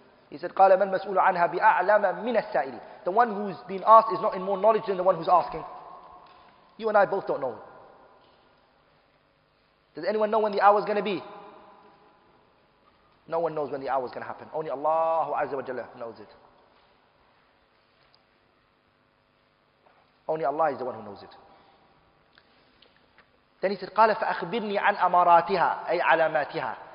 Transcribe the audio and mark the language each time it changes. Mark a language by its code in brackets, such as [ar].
[en] He said, [ar] قَالَ مَنْ مَسْؤُولُ عَنْهَا بِأَعْلَمَ مِنَ السَّائِلِ. [en] The one who's been asked is not in more knowledge than the one who's asking. You and I both don't know. Does anyone know when the hour is going to be? No one knows when the hour is going to happen. Only Allah Azza wa Jalla knows it. Only Allah is the one who knows it. Then he said, [ar] قَالَ فَأَخْبِرْنِي عَنْ أَمَارَاتِهَا أَيْ عَلَامَاتِهَا.